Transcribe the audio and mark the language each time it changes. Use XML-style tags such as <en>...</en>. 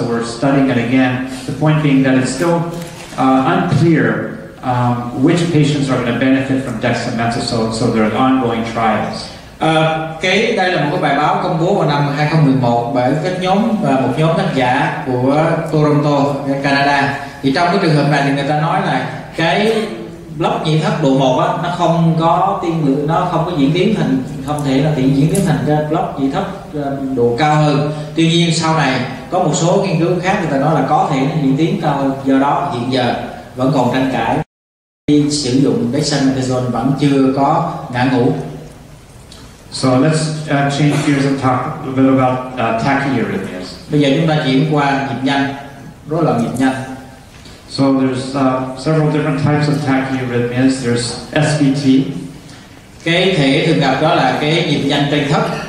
<en>So we're studying it again. The point being that it's still unclear which patients are going to benefit from dexamethasone, so there are ongoing trials.</en> <vi>Đây là một cái bài báo công bố vào năm 2011 bởi các nhóm và một nhóm tác giả của Toronto, Canada. Thì trong cái trường hợp này thì người ta nói là cái block nhĩ thất độ 1 á, nó không có tiên lượng, nó không có diễn biến thành, không thể là diễn biến thành cái block nhĩ thất độ cao hơn. Tuy nhiên sau này có một số nghiên cứu khác người ta nói là có thể nó diễn biến cao hơn. Do đó hiện giờ vẫn còn tranh cãi khi sử dụng dexamethasone vẫn chưa có ngã ngủ.</vi> <en>So let's change gears and talk a little about tachyarrhythmias.</en> <vi>Bây giờ chúng ta chuyển qua nhịp nhanh, rối loạn nhịp nhanh.</vi> <en>So there's several different types of tachyarrhythmias. There's SVT.</en> <vi>Cái thể thường gặp đó là cái nhịp nhanh trên thấp.</vi>